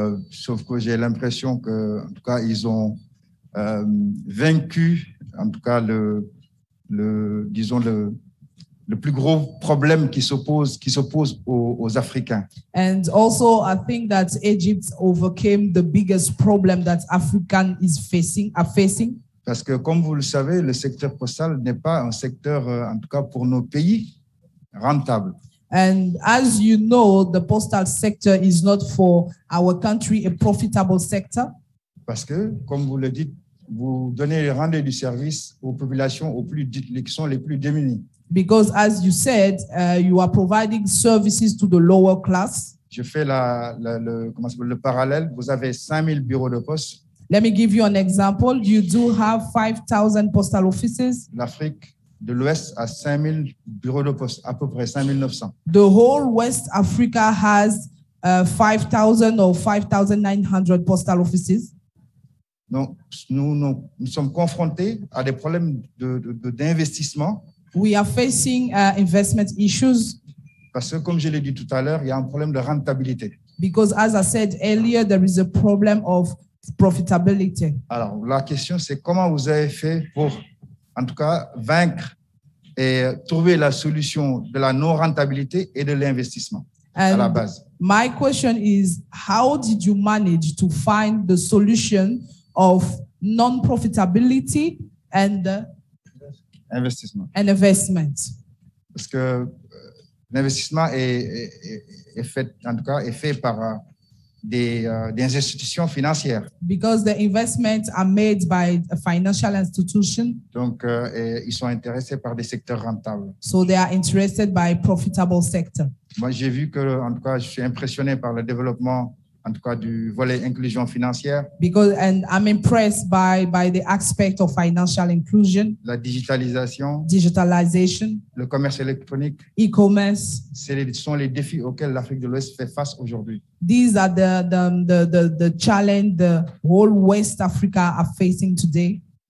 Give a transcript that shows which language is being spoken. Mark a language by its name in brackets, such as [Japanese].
[French] Sauf que j'ai l'impression que, en tout cas, ils ont vaincu, en tout cas, le plus gros problème qui s'oppose aux Africains. [English] And also, I think that Egypt overcame the biggest problem that Africans are facing. [French] Parce que, comme vous le savez, le secteur postal n'est pas un secteur, en tout cas pour nos pays, rentable. [English] And as you know, the postal sector is not for our country a profitable sector. [French] Parce que, comme vous le dites, vous rendez du service aux populations qui sont les plus démunies. [English] Because, as you said, you are providing services to the lower class. [French] Je fais le parallèle. Vous avez 5,000 bureaux de poste. [English] Let me give you an example. You do have 5,000 postal offices. [French] L'Afrique de l'Ouest a 5,000 bureaux de poste, à peu près 5,900. [English] The whole West Africa has 5,000 or 5,900 postal offices. [French] Donc, nous sommes confrontés à des problèmes d'investissement. [English] We are facing investment issues. [French] Parce que, comme je l'ai dit tout à l'heure, il y a un problème de rentabilité. [English] Because, as I said earlier, there is a problem of profitability. [French] Alors, la question, c'est comment vous avez fait pour, en tout cas, vaincre et trouver la solution de la non-rentabilité et de l'investissement [English] and [French] à la base. [English] My question is, how did you manage to find the solution of non-profitability and [French] investissement? [English] And investment. [French] Parce que l'investissement est fait par des institutions financières. [English] Because the investments are made by a financial institution. [French] Donc, ils sont intéressés par des secteurs rentables. [English] So they are interested by profitable sector. [French] Moi, j'ai vu que, en tout cas, je suis impressionné par le développement, en tout cas, du volet inclusion financière. [English] Because, and I'm impressed by the aspect of financial inclusion. [French] La digitalisation. [English] Digitalization. [French] Le commerce électronique. [English] E-commerce. [French] Ce sont les défis auxquels l'Afrique de l'Ouest fait face aujourd'hui. [English] These are the challenge the whole West Africa are facing today.